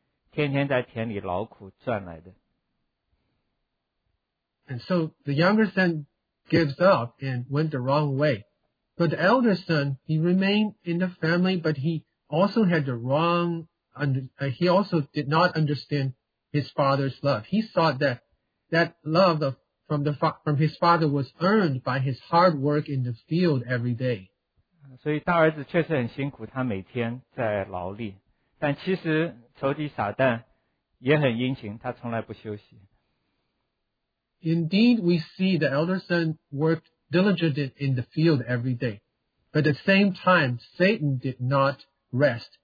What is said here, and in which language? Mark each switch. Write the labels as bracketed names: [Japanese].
[Chinese] 那但是如果做的，所以那个叫自暴自弃哈。但是做的多的那个大儿子，他天天在那儿服侍的，但是他也是误会他的父亲。他觉得说这个爱是他天天在田里劳苦赚来的。 [English] And so the younger son gives up and went the wrong way. But the elder son, he remained in the family, but he also had the wrong, he also did not understand his father's love. He thought that that love from his father was earned by his hard work in the field every day. [Chinese] 所以大儿子确实很辛苦，他每天在劳力，但其实仇敌撒旦也很殷勤，他从来不休息。 [English] Indeed, we see the elder son worked diligently in the field every day. But at the same time, Satan did not rest.